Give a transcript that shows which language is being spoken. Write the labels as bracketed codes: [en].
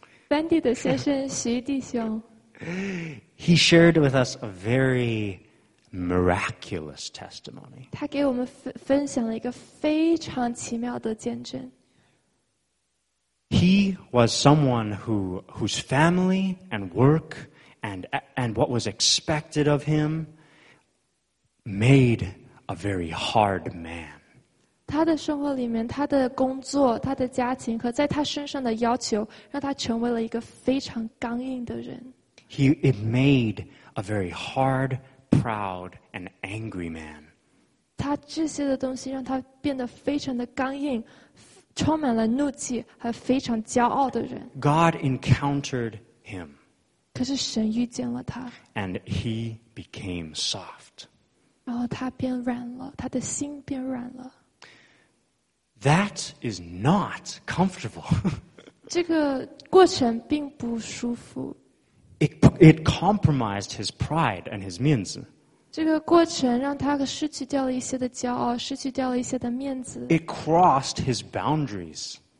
[zh] Fendi 的先生，徐弟兄。 [en] He shared with us a very miraculous testimony. [zh] 他给我们分享了一个非常奇妙的见证。 [en] He was someone whose family and work and what was expected of him made a very hard man. [zh] 他的生活里面，他的工作，他的家庭和在他身上的要求，让他成为了一个非常刚硬的人。 [en] It made a very hard, proud, and angry man. [zh] 他这些的东西让他变得非常的刚硬，充满了怒气和非常骄傲的人。 [en] God encountered him. [zh] 可是神遇见了他。 [en] And he became soft. [zh] 然后他变软了，他的心变软了。 [en] That is not comfortable. [zh] 这个过程并不舒服。 [en] It compromised his pride and his 面子。 [zh] 这个过程让他失去掉了一些的骄傲，失去掉了一些的面子。 [en] It crossed his boundaries.